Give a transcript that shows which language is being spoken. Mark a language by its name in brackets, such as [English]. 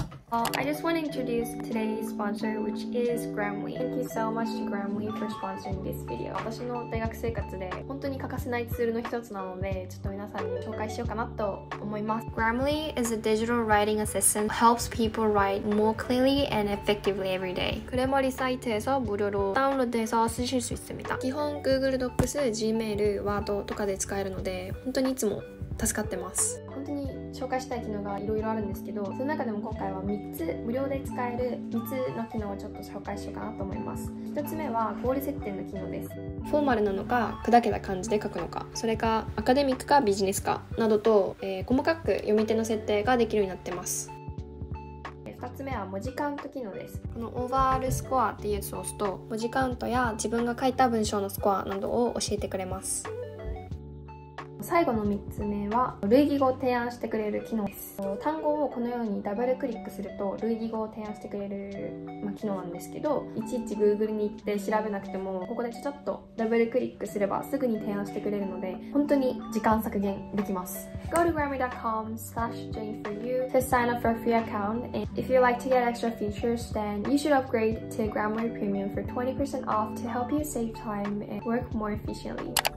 [English] I just want to introduce today's sponsor, which is Grammarly. Thank you so much to Grammarly for sponsoring this video. [Japanese] 私の大学生活で本当に欠かせないツールの一つなので、ちょっと皆さんに紹介しようかなと思います。 [English] Grammarly is a digital writing assistant that helps people write more clearly and effectively every day. [Japanese] Grammarly サイトで無料でダウンロードして使用できます。基本 Google Docs、Gmail、Word とかで使えるので、本当にいつも助かってます。本当に紹介したい機能がいろいろあるんですけど、その中でも今回は3つ無料で使える3つの機能をちょっと紹介しようかなと思います。 1つ目はゴール設定の機能です。フォーマルなのか砕けた感じで書くのか、それかアカデミックかビジネスかなどと、細かく読み手の設定ができるようになってます。 2つ目は文字カウント機能です。このオーバールスコアっていうやつを押すと文字カウントや自分が書いた文章のスコアなどを教えてくれます。最後の3つ目は類義語を提案してくれる機能です。単語をこのようにダブルクリックすると類義語を提案してくれる、機能なんですけど、いちいち Google に行って調べなくてもここでちょちょっとダブルクリックすればすぐに提案してくれるので本当に時間削減できます。 [English] Go to grammarly.com/j4u to sign up for a free account and if you like to get extra features then you should upgrade to Grammarly Premium for 20% off to help you save time and work more efficiently.